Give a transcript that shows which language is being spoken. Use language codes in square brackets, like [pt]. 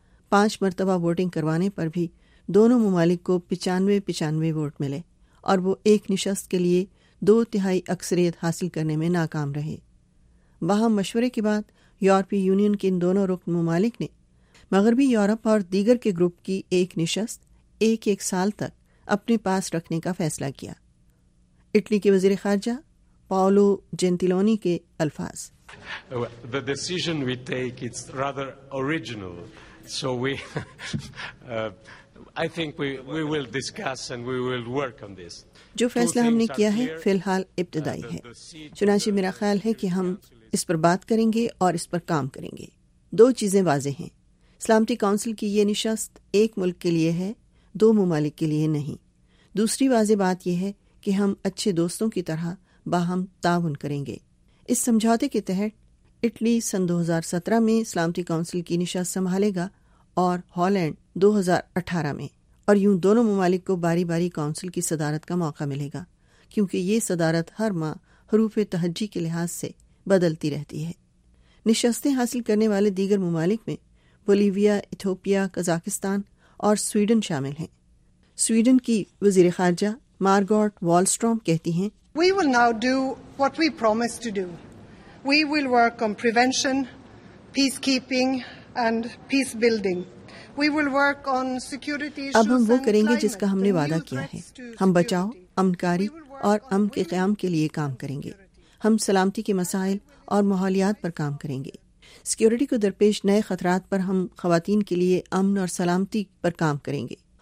[ur] پانچ مرتبہ ووٹنگ کروانے پر بھی دونوں ممالک کو 95-95 ووٹ ملے اور وہ ایک نشست کے لیے دو تہائی اکثریت حاصل کرنے میں ناکام رہے. باہم مشورے کے بعد یورپی یونین کے ان دونوں رکن ممالک نے مغربی یورپ اور دیگر کے گروپ کی ایک نشست ایک ایک سال تک اپنے پاس رکھنے کا فیصلہ کیا. اٹلی کے وزیر خارجہ پاولو جنتیلونی کے الفاظ. [en] The decision we take is rather original, so I think we will discuss and we will work on this. [ur] جو فیصلہ ہم نے کیا ہے فی الحال ابتدائی ہے, چنانچہ میرا خیال ہے کہ ہم اس پر بات کریں گے اور اس پر کام کریں گے. دو چیزیں واضح ہیں, سلامتی کونسل کی یہ نشست ایک ملک کے لیے ہے, دو ممالک کے لیے نہیں. دوسری واضح بات یہ ہے کہ ہم اچھے دوستوں کی طرح باہم تعاون کریں گے. اس سمجھوتے کے تحت اٹلی سن 2017 میں سلامتی کونسل کی نشست سنبھالے گا اور ہالینڈ 2018 میں, اور یوں دونوں ممالک کو باری باری کونسل کی صدارت کا موقع ملے گا, کیونکہ یہ صدارت ہر ماہ حروف تہجی کے لحاظ سے بدلتی رہتی ہے. نشستیں حاصل کرنے والے دیگر ممالک میں بولیویا, ایتھوپیا, قزاقستان اور سویڈن شامل ہیں. سویڈن کی وزیر خارجہ مارگوٹ والسٹروم کہتی ہیں, [en] We will now do what we promised to do. We will work on prevention, peacekeeping and peace building. We will work on security issues. [ur] اب ہم وہ کریں گے جس کا ہم نے وعدہ کیا ہے. ہم بچاؤ, امن کاری اور امن کے قیام کے لیے کام کریں گے. ہم سلامتی کے مسائل اور ماحولیات پر کام کریں گے. سیکیورٹی کو درپیش نئے خطرات پر ہم خواتین کے لیے امن اور سلامتی پر کام کریں گے.